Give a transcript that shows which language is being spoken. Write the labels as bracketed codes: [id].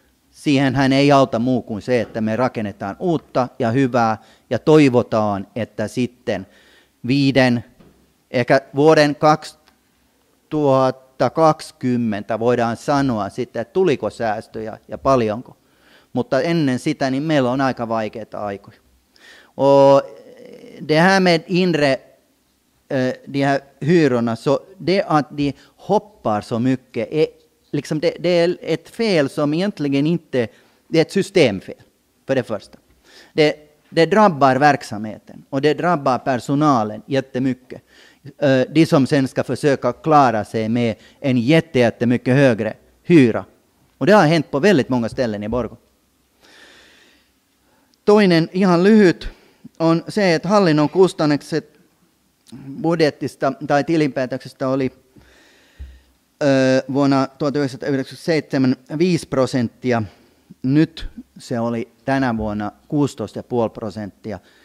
[fi] Siihenhän ei auta muu kuin se, että me rakennetaan uutta ja hyvää ja toivotaan, että sitten viiden, ehkä vuoden 2020 voidaan sanoa sitten, että tuliko säästöjä ja paljonko. Mutta ennen sitä, niin meillä on aika vaikeita aikoja. [sv] Det här med inre, de här hyrorna, så det att de hoppar så mycket, liksom det är ett fel som egentligen inte, det är ett systemfel, för det första. Det drabbar verksamheten och det drabbar personalen jättemycket. De som sen ska försöka klara sig med en jättemycket högre hyra. Och det har hänt på väldigt många ställen i Borgå. [fi] Toinen ihan lyhyt on se, että hallinnon kustannukset budjettista tai tilinpäätöksestä oli vuonna 1997 5%. Nyt se oli tänä vuonna 16,5%.